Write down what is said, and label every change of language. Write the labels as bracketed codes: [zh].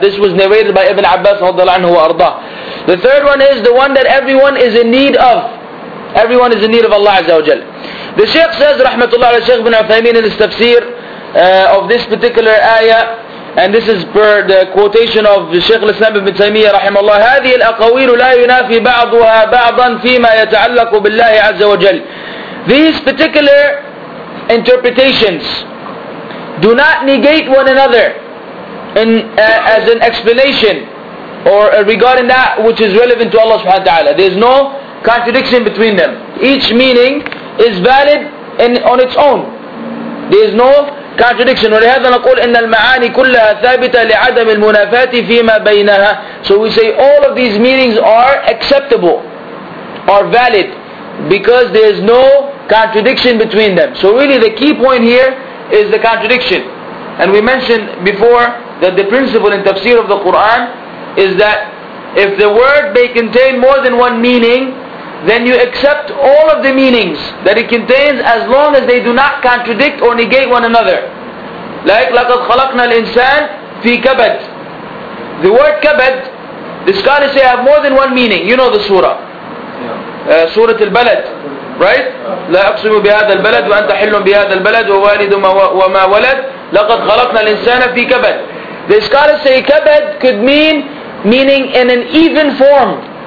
[en] This was narrated by Ibn Abbas radhiyallahu anhu wa arda. The third one is the one that everyone is in need of. Everyone is in need of Allah Azza wa Jal. The Shaykh says, rahmatullah ala Shaykh bin Uthaymeen in his tafsir of this particular ayah. And this is per the quotation of Shaykh al-Islam ibn Taymiyyah rahimahullah. [ar] هذه الأقاويل لا ينافي بعضها بعضا فيما يتعلق بالله عز وجل. [en] These particular interpretations do not negate one another in as an explanation or regarding that which is relevant to Allah subhanahu wa ta'ala. There is no contradiction between them. Each meaning is valid in on its own. There is no contradiction. [ar] ولهذا نقول إن المعاني كلها ثابتة لعدم المنافاة فيما بينها. [en] So we say all of these meanings are acceptable, are valid, because there is no contradiction between them. So really the key point here is the contradiction. And we mentioned before that the principle in tafsir of the Quran is that if the word may contain more than one meaning, then you accept all of the meanings that it contains as long as they do not contradict or negate one another. [ar] Like, لَقَدْ خَلَقْنَا الْإِنسَانِ فِي كَبَدْ. [en] The word kabad, the scholars say have more than one meaning. You know the surah. Surah al-Balad. Right? [ar] لَا أَقْسِمُ بِهَذَا الْبَلَدْ وَأَنْتَ حِلٌّ بِهَذَا الْبَلَدْ وَوَالِدُ وَمَا وَلَدْ لَقَدْ خَلَقْنَا الْإِنسَانَ فِي كَبَدْ. [en] The scholars say kabad could mean meaning in an even form.